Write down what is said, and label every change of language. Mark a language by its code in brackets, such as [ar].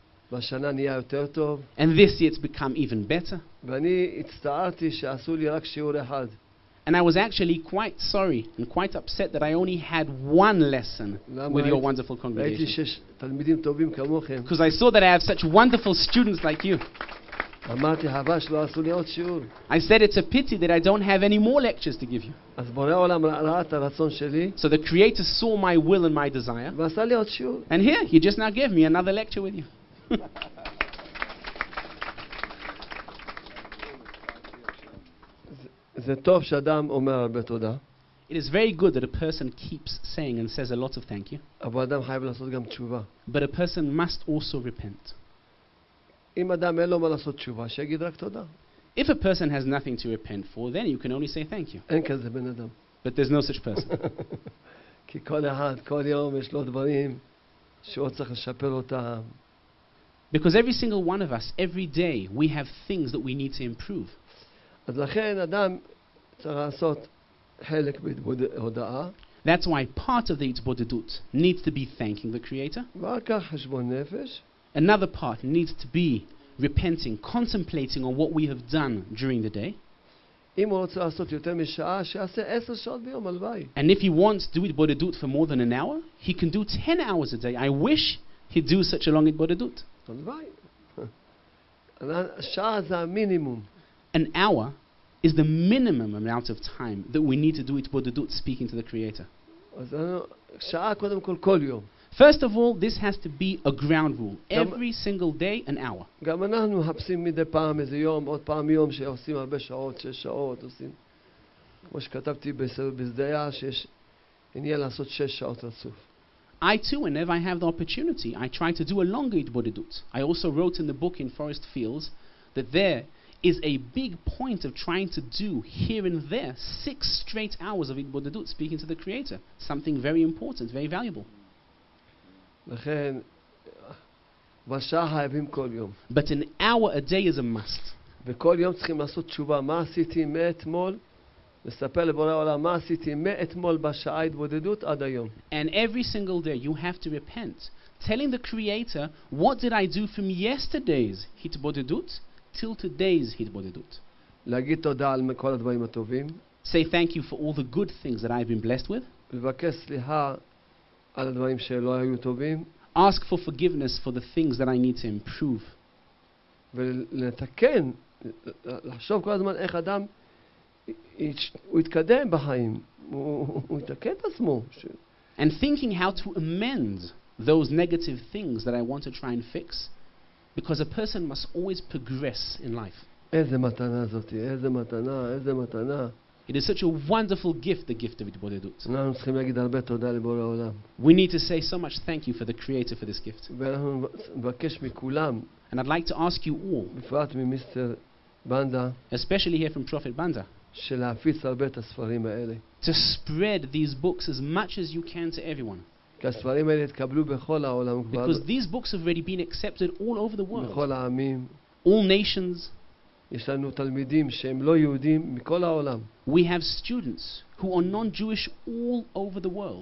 [en] And this year it's become even better. And I was actually quite sorry and quite upset that I only had one lesson with your wonderful congregation. Because I saw that I have such wonderful students like you. [he] אמרתי, חבל שלא עשו לי עוד שיעור. [en] I said it's a pity that I don't have any more lectures to give you. [he] אז בורא עולם ראה את הרצון שלי. [en] So the Creator saw my will and my desire. [he] ועשה לי עוד שיעור. [en] And here, he just now gave me another lecture with you. [he] זה טוב שאדם אומר הרבה תודה. [en] It is very good that a person keeps saying and says a lot of thank you. [he] אבל אדם חייב לעשות גם תשובה. [en] But a person must also repent. [he] אם אדם אין לו מה לעשות תשובה, שיגיד רק תודה. [en] If a person has nothing to repent for, then you can only say thank you. [he] אין כזה בן אדם. [en] But there's no such person. [he] כי כל אחד, כל יום יש לו דברים שהוא צריך לשפר אותם. [en] Because every single one of us, every day, we have things that we need to improve. [he] אז לכן אדם צריך לעשות חלק בהודאה. [en] That's why part of the התבודדות needs to be thanking the Creator. [he] ורק חשבון נפש. [en] Another part needs to be repenting, contemplating on what we have done during the day. [he] אם הוא רוצה לעשות יותר משעה, שיעשה 10 שעות ביום, הלוואי. [en] And if he wants to do התבודדות for more than an hour, he can do 10 hours a day. I wish he'd do such a long התבודדות. [he] הלוואי. שעה זה המינימום. [en] An hour is the minimum amount of time that we need to do התבודדות speaking to the Creator. [he] אז שעה קודם כל כל יום. [en] First of all, this has to be a ground rule. Every single day, an hour. [he] גם אנחנו מחפשים מדי פעם איזה יום, עוד פעם יום שעושים הרבה שעות, שש שעות, עושים. כמו שכתבתי בזדיה, שיש עניין לעשות שש שעות רצוף. [en] I too, whenever I have the opportunity, I try to do a longer התבודדות. I also wrote in the book in Forest Fields that there is a big point of trying to do here and there 6 straight hours of התבודדות, speaking to the Creator. Something very important, very valuable. [he] לכן בשעה חייבים כל יום. [en] But an hour a day is a must. [he] וכל יום צריכים לעשות תשובה, מה עשיתי מאתמול? לספר לבורא עולם מה עשיתי מאתמול בשעה התבודדות עד היום. [en] And every single day you have to repent, telling the Creator, what did I do from yesterday's התבודדות till today's התבודדות. [he] להגיד תודה על כל הדברים הטובים. [en] Say thank you for all the good things that I've been blessed with. [he] לבקש סליחה על הדברים שלא היו טובים. [en] Ask for forgiveness for the things that I need to improve. [he] ולתקן, לחשוב כל הזמן איך אדם הוא יתקדם בחיים, הוא יתקן את עצמו. [en] And thinking how to amend those negative things that I want to try and fix, because a person must always progress in life. [he] איזה מתנה זאת, איזה מתנה, איזה מתנה. [en] It is such a wonderful gift, the gift of התבודדות. [he] אנחנו צריכים להגיד הרבה תודה לבורא העולם. [en] We need to say so much thank you for the Creator for this gift. [he] ואנחנו מבקש מכולם. [en] And I'd like to ask you all. [he] בפרט ממיסטר בנדה. [en] Especially here from Prophet Banda. [he] שלהפיץ הרבה את הספרים האלה. [en] To spread these books as much as you can to everyone. [he] כי הספרים האלה התקבלו בכל העולם כבר. [en] Because these books have already been accepted all over the world. [he] בכל העמים. [en] All nations. [he] יש לנו תלמידים שהם לא יהודים מכל העולם. [en] We have students who are non-Jewish all over the world.